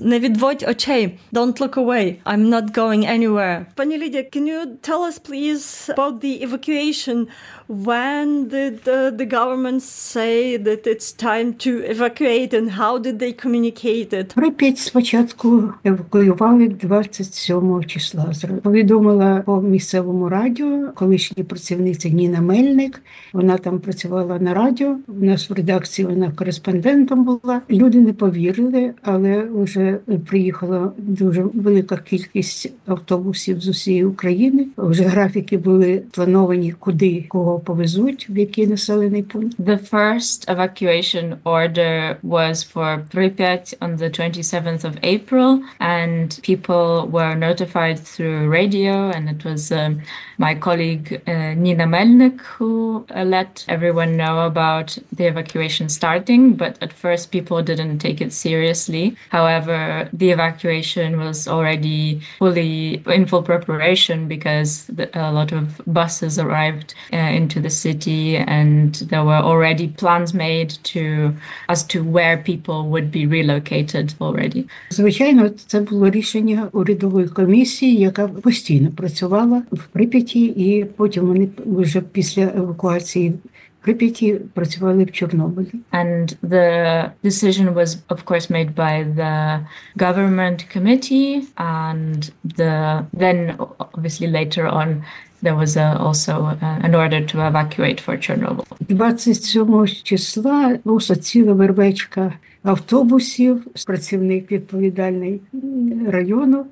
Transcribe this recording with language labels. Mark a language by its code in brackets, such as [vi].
[uk] Не відводь очей. [en] Don't look away. I'm not going anywhere. Пані Лідія, can you tell us, please, about the evacuation? When did the government say that it's time to evacuate and how did they communicate it? [uk] Припять спочатку евакуювали 27-го числа. Повідомила по місцевому радіо колишня працівниця Ніна Мельник. Вона там працювала на радіо. У нас в редакції вона кореспондентом була. Люди не повірили, але вже приїхала дуже велика кількість автобусів з усієї України. Вже графіки були плановані, куди кого повезуть, в який населений пункт. [en] The first evacuation order was for Pripyat on the 27th of April, and people were notified through radio, and it was my colleague Nina Melnik who let everyone know about the evacuation starting, but at first people didn't take it seriously. However, the evacuation was already fully in full preparation because a lot of buses arrived into the city and there were already plans made to as to where people would be relocated already. [uk] Звичайно, це було рішення урядової комісії, яка постійно працювала в Прип'яті, і потім вони вже після евакуації Прип'яті працювали в Чорнобилі. [en] And the decision was, of course, made by the government committee, and then, obviously, later on, there was also an order to evacuate for Chernobyl. [uk] 27-го числа була ціла вербечка автобусів, працівник відповідальний району.